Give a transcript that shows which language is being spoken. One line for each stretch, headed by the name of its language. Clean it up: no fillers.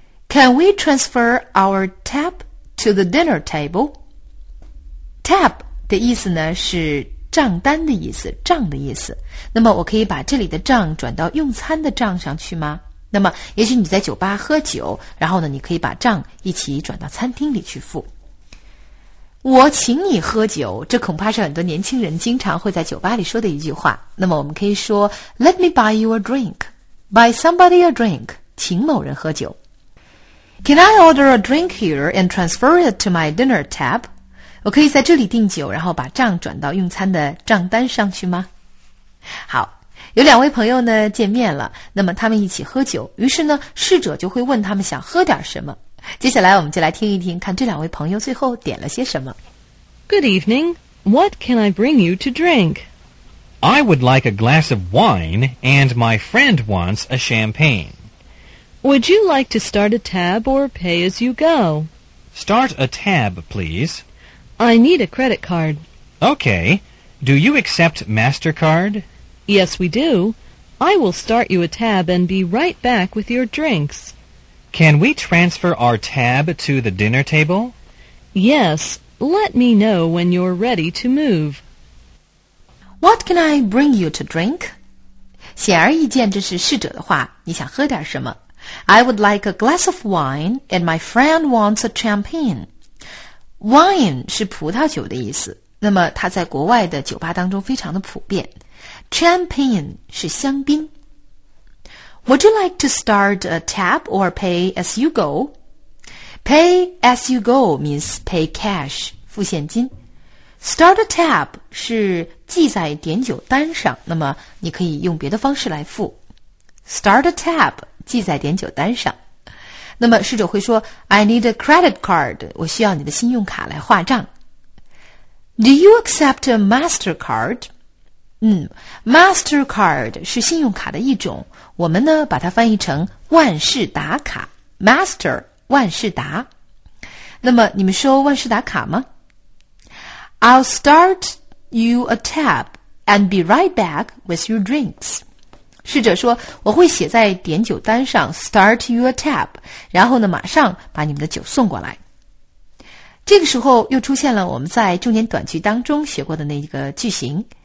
English: Can we transfer our tab to the dinner table?
Chinese: Tab 的意思呢是账单的意思，账的意思。那么我可以把这里的账转到用餐的账上去吗？那么也许你在酒吧喝酒，然后呢你可以把账一起转到餐厅里去付。我请你喝酒，这恐怕是很多年轻人经常会在酒吧里说的一句话。那么我们可以说
English: Let me buy you a drink. Buy somebody a drink,
Chinese: 请某人喝酒。
English: Can I order a drink here and transfer it to my dinner tab?
Chinese: 我可以在这里订酒，然后把账转到用餐的账单上去吗？好，有两位朋友呢，见面了，那么他们一起喝酒，于是呢，侍者就会问他们想喝点什么。接下来我们就来听一听看这两位朋友最后点了些什么。
English: Good evening. What can I bring you to drink? I would like a glass of wine, and my friend wants a champagne. Would you like to start a tab or pay as you go? Start a tab, please. I need a credit card. Okay. Do you accept MasterCard? Yes, we do. I will start you a tab and be right back with your drinks. Can we transfer our tab to the dinner table? Yes. Let me know when you're ready to move. What can I bring you to drink?
Chinese: 显而易见，这是侍者的话，你想喝点什么？
English: I would like a glass of wine, and my friend wants a champagne.
Chinese: Wine 是葡萄酒的意思，那么它在国外的酒吧当中非常的普遍。 Champagne 是香槟。
English: Would you like to start a tab or pay as you go? Pay as you go means pay cash,
Chinese: 付现金。 Start a tab 是记在点酒单上，那么你可以用别的方式来付。
English: Start a tab.
Chinese: 记在点酒单上。那么侍者会说
English: I need a credit card,
Chinese: 我需要你的信用卡来划账。
English: Do you accept a MasterCard?
Chinese: MasterCard 是信用卡的一种，我们呢把它翻译成万事达卡。 Master, 万事达。那么你们收万事达卡吗？
English: I'll start you a tab and be right back with your drinks.
Chinese: 侍者说我会写在点酒单上
English: start your tab,
Chinese: 然后呢马上把你们的酒送过来。这个时候又出现了我们在重点短句当中学过的那个句型。